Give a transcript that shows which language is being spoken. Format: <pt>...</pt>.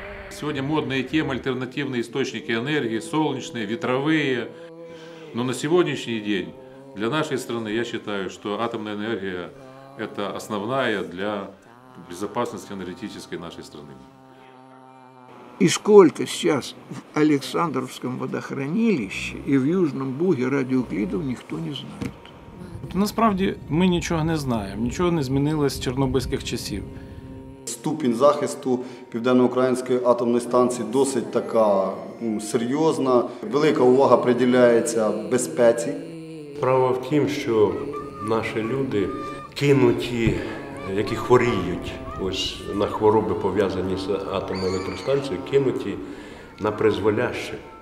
<uk>Сьогодні модна тема – альтернативні істочники енергії, сонячні, вітрові. Но на сьогоднішній день для нашої країни, я вважаю, що атомна енергія – це основна для</uk> <ru>безопасности энергетической нашей страны. И сколько сейчас в Александровском водохранилище и в Южном Буге радиоклидов никто не знает.</ru> <uk>Насправді ми нічого не знаємо, нічого не змінилось з чорнобильських часів. Ступінь захисту південноукраїнської атомної станції досить така серйозна. Велика увага приділяється безпеці. Справа в тім, що наші люди кинуті, які хворіють ось на хвороби, пов'язані з атомною електростанцією, кинуті на призволяще.</uk>